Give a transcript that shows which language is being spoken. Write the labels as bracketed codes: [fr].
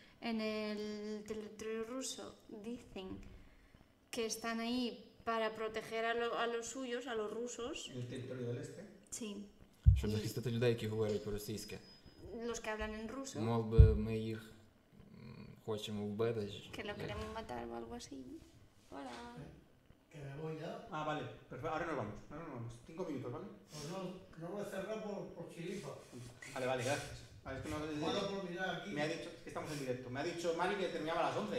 [es] En el territorio ruso dicen que están ahí para proteger a los suyos, a los rusos. El territorio del este? Sí. [uk] Щоб захистити людей, які говорять по-російськи. [es] Los que hablan en ruso. [uk] Мов би ми їх хочемо вбити. [es] Que lo queremos matar o algo así. Hola. Que me voy ya. Ah, vale. Perfecto. Ahora nos vamos. 5 minutos, ¿vale? Pues no voy a cerrar por chilipa. Vale, gracias. Vale, es que no. Puedo terminar aquí. Me ha dicho que estamos en directo. Me ha dicho Mari que terminaba a las 11.